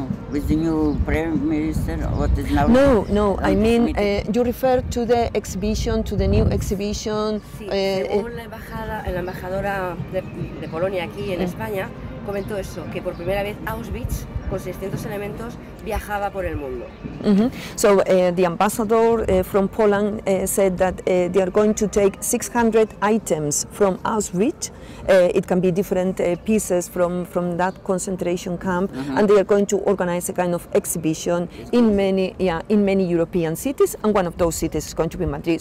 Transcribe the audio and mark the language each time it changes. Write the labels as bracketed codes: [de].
[en] With the new prime minister, what is now? No, I mean, you refer to the exhibition, to the new exhibition. [es] Según la embajada, la embajadora de Polonia aquí en España comentó eso, que por primera vez Auschwitz con 600 elementos viajaba por el mundo. Mm-hmm. [en] So the ambassador from Poland said that they are going to take 600 items from Auschwitz. It can be different pieces from that concentration camp, mm-hmm. and they are going to organize a kind of exhibition in many European cities, and one of those cities is going to be Madrid.